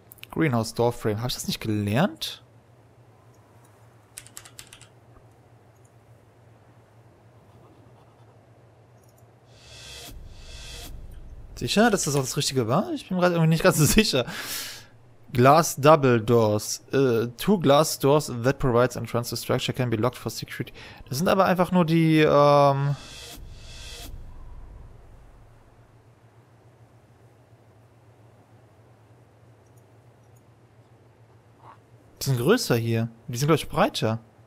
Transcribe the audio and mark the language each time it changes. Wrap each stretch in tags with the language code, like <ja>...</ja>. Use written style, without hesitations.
<de>Greenhouse Doorframe. Habe ich das nicht gelernt? Sicher, dass das auch das Richtige war? Ich bin gerade irgendwie nicht ganz so sicher.</de> <en>Glass Double Doors. Two glass doors that provides entrance to structure can be locked for security.</en> <de>Das sind aber einfach nur die, die sind größer hier. Die sind, glaube ich, breiter.</de>